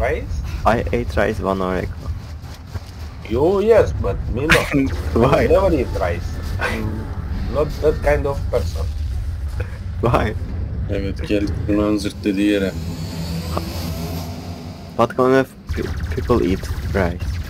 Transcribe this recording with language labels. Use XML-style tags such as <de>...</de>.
<en>people over eating rice. I ate rice 1 hour ago. You, yes, but me not. Why? I never eat rice. I'm not that kind of person. Why?</en> <tr>Evet, geldik bunların zırtladığı yere. What kind of people eat rice?</tr>